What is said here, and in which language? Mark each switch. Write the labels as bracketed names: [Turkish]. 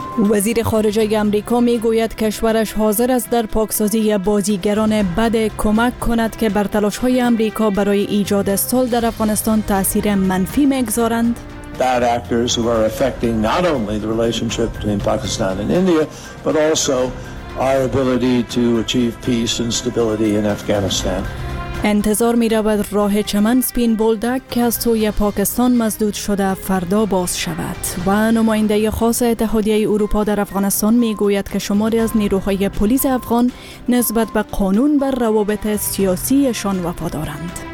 [Persian] وزیر خارجه آمریکا میگوید کشورش حاضر است در پاکسازی بازیگران بد کمک کند که بر تلاش‌های آمریکا برای ایجاد صلح در افغانستان تأثیر منفی می‌گذارند. [English] Bad actors who are affecting not only the relationship between Pakistan and India, but also our ability to achieve peace and stability in Afghanistan. [Persian] انتظار می‌رود راه چمن سپین بولدک که از سوی پاکستان مسدود شده فردا باز شود. و نماینده خاص اتحادیه اروپا در افغانستان می‌گوید که شماری از نیروهای پلیس افغان نسبت به قانون و روابط سیاسیشان وفادارند.